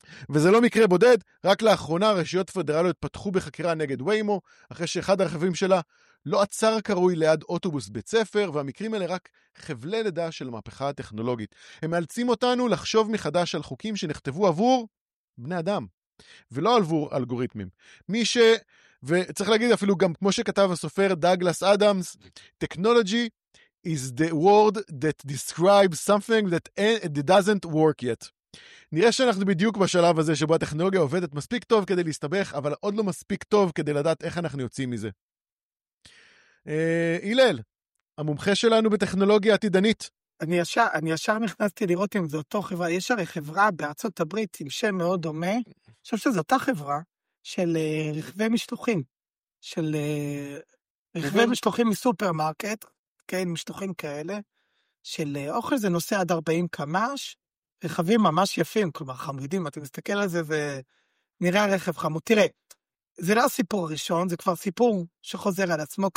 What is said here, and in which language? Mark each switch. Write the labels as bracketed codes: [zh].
[he] וזה לא מקרה בודד, רק לאחרונה רשויות פדרליות פתחו בחקירה נגד ויימו, אחרי שאחד הרכבים שלה לא עצר קרוי ליד אוטובוס בית ספר, והמקרים האלה רק חבלי לידה של המהפכה הטכנולוגית. הם מאלצים אותנו לחשוב מחדש על חוקים שנכתבו עבור בני אדם, ולא עבור אלגוריתמים. וצריך להגיד אפילו גם כמו שכתב הסופר דאגלס אדמס, [en] technology is the word that describes something that doesn't work yet. [he] נראה שאנחנו בדיוק בשלב הזה שבו הטכנולוגיה עובדת מספיק טוב כדי להסתבך, אבל עוד לא מספיק טוב כדי לדעת איך אנחנו יוצאים מזה. אילל, המומחה שלנו בטכנולוגיה עתידנית. אני ישר נכנסתי לראות אם זה אותו חברה, יש הרי חברה בארצות הברית עם שם מאוד דומה, אני חושב שזו אותה חברה של רכבי משטוחים, של רכבי משטוחים מסופרמרקט, כן, משטוחים כאלה, של אוכל זה נוסע עד 40 קמ"ש, רכבים ממש יפים, כלומר חמודים, אתה מסתכל על זה ונראה רכב חמוד, תראה, זה לא הסיפור הראשון, זה כבר סיפור שחוזר על עצמו.